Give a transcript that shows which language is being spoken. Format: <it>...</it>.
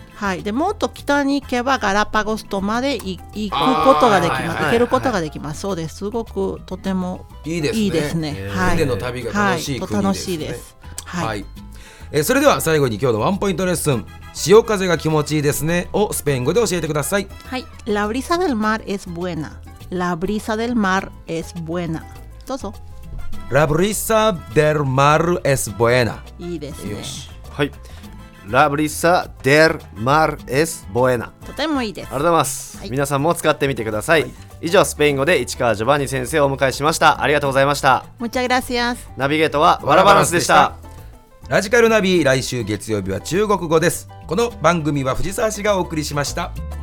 <ja>はい、でもっと北に行けばガラパゴスとまで行くことができます。行けることができます。そうです、すごくとてもいいですね。いいですね、はい、船の旅が楽しい国ですね。はい、楽しいです。はい、それでは最後に今日のワンポイントレッスン、潮風が気持ちいいですねをスペイン語で教えてください。</ja> <es>はい、La brisa del mar es buena. La brisa del mar es buena.</es> <ja>どうぞ。</ja> <es>La brisa del mar es buena.</es> <ja>いいですね。</ja> <es>よし、はい、La brisa del mar es buena.</es> <ja>とてもいいです。ありがとうございます、はい、皆さんも使ってみてください。はい、以上、スペイン語で市川ジョバンニ先生をお迎えしました。ありがとうございました。</ja> <es>Muchas gracias.</es> <ja>ナビゲートはワラバランスでした。ラジカルナビ、来週月曜日は中国語です。この番組は藤沢市がお送りしました。</ja>